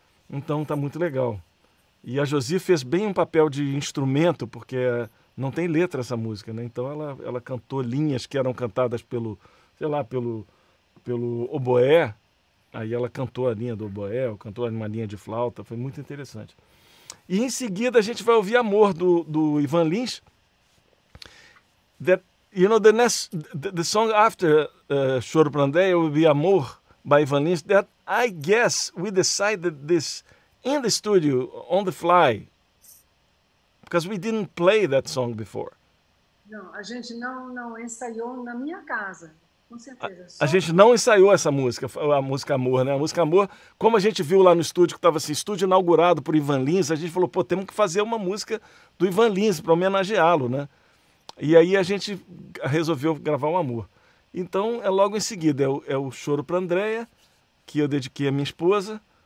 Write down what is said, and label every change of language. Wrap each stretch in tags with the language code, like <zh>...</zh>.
<pt>Então tá muito legal. E a Josi fez bem um papel de instrumento, porque não tem letra essa música, né? Então ela cantou linhas que eram cantadas pelo, sei lá, pelo oboé. Aí ela cantou a linha do oboé, ou cantou uma linha de flauta, foi muito interessante. E em seguida a gente vai ouvir Amor, do Ivan Lins.</pt> <en>You know, the song after Choro para Andrea will be Amor, by Ivan Lins, that I guess we decided this... in the studio, on the fly, because we didn't play that song before.</en> <pt>Não, a gente não ensaiou na minha casa, com certeza. A gente não ensaiou essa música, a música Amor, né? A música Amor, como a gente viu lá no estúdio, que estava assim, estúdio inaugurado por Ivan Lins, a gente falou, pô, temos que fazer uma música do Ivan Lins para homenageá-lo, né? E aí a gente resolveu gravar um amor. Então, é logo em seguida, é o Choro para Andréia, que eu dediquei à minha esposa.</pt>